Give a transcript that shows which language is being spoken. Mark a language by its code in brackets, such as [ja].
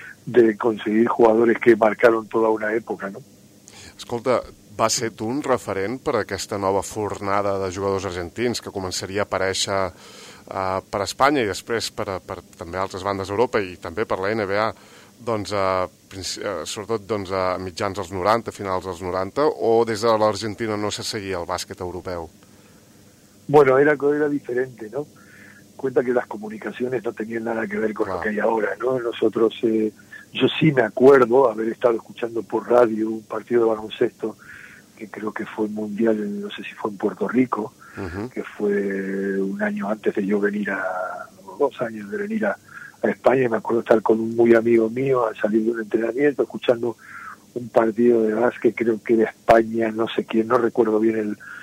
[es] de conseguir jugadores que marcaron toda una época, ¿no? [ca] Escolta, va ser tu un referent per a aquesta nova fornada de jugadors argentins que començaria a aparèixer per a Espanya i després per també altres bandes d'Europa i també per la NBA, doncs, sobretot doncs, a mitjans dels 90, finals dels 90, o des de l'Argentina no se seguia el bàsquet europeu? [es] Bueno, era diferente, ¿no? Cuenta que las comunicaciones no tenían nada que ver con lo que hay ahora, ¿no? Nosotros, yo sí me acuerdo haber estado escuchando por radio un partido de baloncesto, que creo que fue mundial, no sé si fue en Puerto Rico, que fue un año antes de yo venir a, dos años de venir a España, y me acuerdo estar con un muy amigo mío al salir de un entrenamiento, escuchando un partido de básquet, creo que de España, no sé quién, no recuerdo bien el...